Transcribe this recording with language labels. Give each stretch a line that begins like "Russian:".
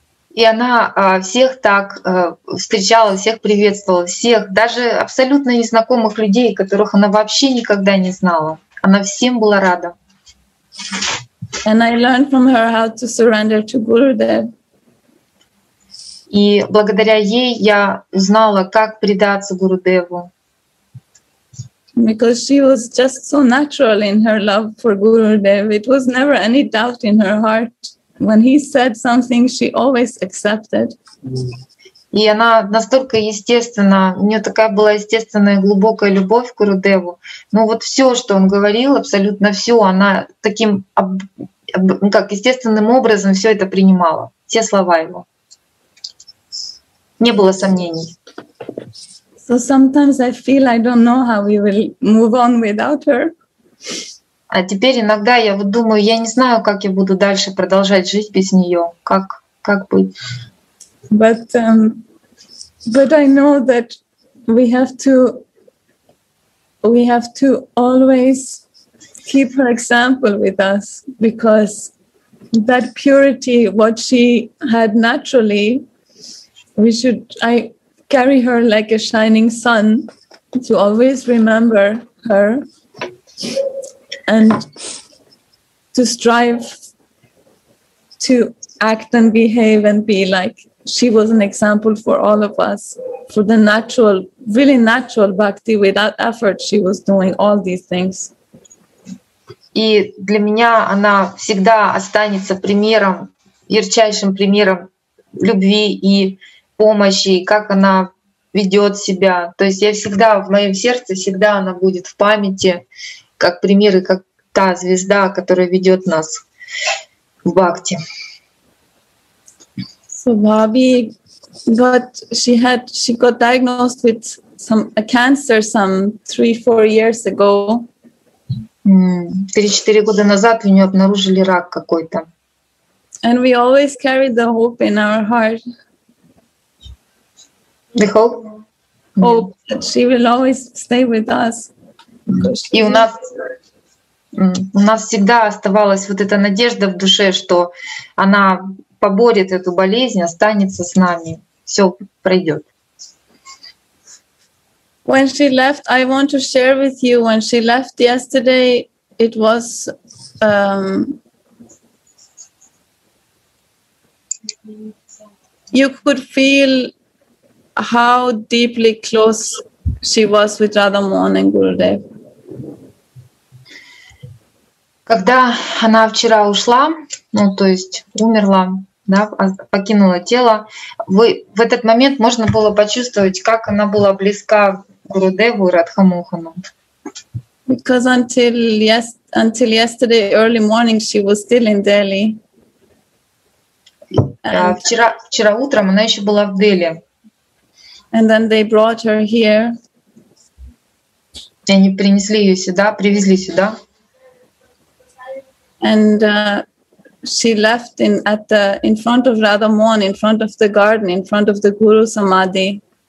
Russian: И она всех так встречала, всех приветствовала, всех, даже абсолютно незнакомых людей, которых она вообще никогда не знала. Она всем была рада.
English: And I learned from her how to surrender to Gurudev.
Russian: И благодаря ей я узнала, как предаться Гурудеву.
English: Because she was just so natural in her love for Gurudev. It was never any doubt in her heart. When he said something, she always accepted.
Russian: И она настолько естественна, у нее такая была естественная глубокая любовь к Гурудеву. Ну вот все, что он говорил, абсолютно все, она таким как естественным образом все это принимала, все слова его. Не было сомнений.
English: So sometimes I feel I don't know how we will move on without her.
Russian: А теперь иногда я вот думаю, я не знаю, как я буду дальше продолжать жить без нее, как быть.
English: But I know that we have to always keep her example with us, because that purity, what she had naturally, we should I carry her like a shining sun to always remember her. And to strive to act and behave and be like she was an example for all of us, for the natural, really natural bhakti, without effort she was doing all these things.
Russian: И для меня она всегда останется примером, ярчайшим примером любви и помощи, как она ведет себя. То есть я всегда в моем сердце, всегда она будет в памяти, как пример и как та звезда, которая ведет нас в бхакти.
English: So Bhavi got, she got diagnosed with a cancer some 3-4 years ago.
Russian: 3-4 года назад у нее обнаружили рак какой-то.
English: And we always carry the hope in our heart. The hope? Hope that she will always stay with us.
Russian: И у нас всегда оставалась вот эта надежда в душе, что она поборет эту болезнь, останется с нами, все пройдет.
English: When she left, I want to share with you. When she left yesterday, it was you could feel how deeply close she was with Radha Mohan and Gurudev.
Russian: Когда она вчера ушла, ну то есть умерла, да, покинула тело, в этот момент можно было почувствовать, как она была близка Гурудеву и Радхамохану.
English: Because until yesterday early morning she was still in Delhi.
Russian: Вчера утром она еще была в Дели.
English: And then they brought her here.
Russian: И они принесли ее сюда, привезли сюда.
English: And she left in front of Radha Mohan, in front of the garden, in front of the Guru Samadhi.